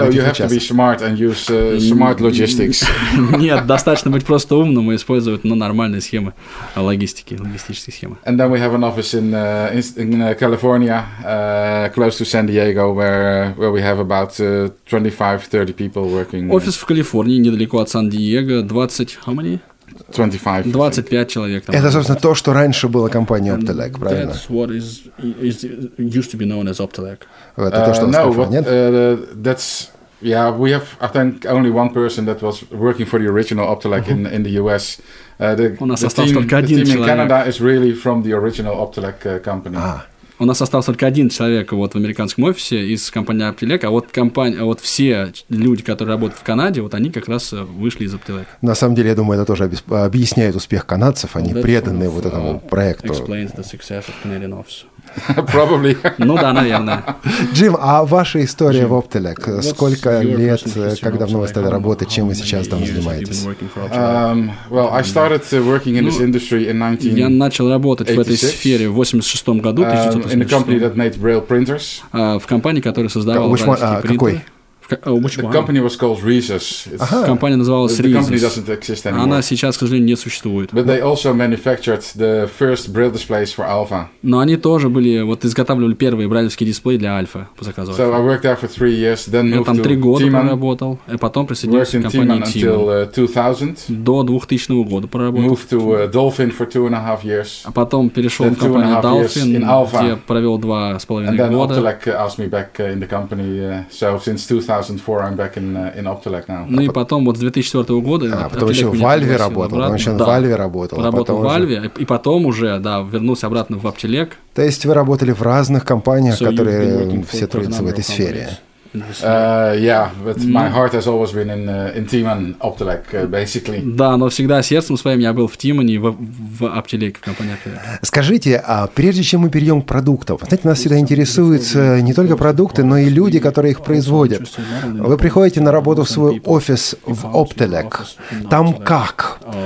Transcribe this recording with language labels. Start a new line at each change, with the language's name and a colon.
English: You have to be smart and use smart logistics.
Russian: Нет, достаточно быть просто умным и использовать нормальные схемы логистики, логистические схемы.
English: And then we have an office in California, close to San Diego, where we have about 25-30 people working.
Russian: Офис в Калифорнии, недалеко от Сан-Диего, 20,
English: how many? 25.
Russian: 25 человек. Там. Это, собственно, то, что раньше было компанией Optelec, правильно?
English: That's what is used to be known as Optelec.
Russian: Это то, что
English: That's... Yeah, we have, I think, only one person that was working for the original Optelec in the US. The team in Canada is really from the original Optelec company.
Russian: У нас остался только один человек вот в американском офисе из компании Optelec, а вот все люди, которые работают в Канаде, вот они как раз вышли из Optelec. На самом деле, я думаю, это тоже объясняет успех канадцев, они преданы вот этому проекту.
English: Explains the success of Canadian office. Probably.
Russian: Ну да, наверное. Джим, а ваша история в Optelec? Сколько лет, как давно вы стали работать, чем вы сейчас там занимаетесь?
English: Well, I started working in this industry in 1986.
Russian: Я начал работать в этой сфере в 86 году.
English: In a company that made braille printers.
Russian: В компании, которая создавала
English: Braille
Russian: принтеры.
English: The company was called Rhesus.
Russian: Компания называлась Rhesus.
English: The company doesn't exist anymore.
Russian: Она сейчас, к сожалению, не существует.
English: But they also manufactured the first braille displays for Alpha.
Russian: Но они тоже были, вот изготавливали первые брайлевские дисплеи для Alpha по заказу.
English: So I worked there for 3 years, then moved to Tiemann.
Russian: Я там 3 года проработал, и потом присоединился к компании Tiemann.
English: Worked in Tiemann until 2000.
Russian: До 2000 года проработал.
English: Moved to Dolphin for 2.5 years.
Russian: А потом перешел в компанию Dolphin, где провел 2.5 года.
English: And then Optelec asked me back in the company. So since 2004, I'm back in Optelec now.
Russian: Ну и потом вот с 2004 года. А потом еще в Valve работал. Работал в Valve, и потом уже, да, вернулся обратно в Optelec. То есть вы работали в разных компаниях, которые все трудятся в этой сфере.
English: Yeah, but my heart has always been in Tiemann Optelec, basically.
Russian: Да, но всегда сердцем своим я был в Тиммане, в Optelec, в компании Optelec. Скажите, а прежде чем мы перейдем к продуктам, знаете, нас всегда интересуют не только продукты, но и люди, которые их производят. Вы приходите на работу в свой офис в Optelec. Там как?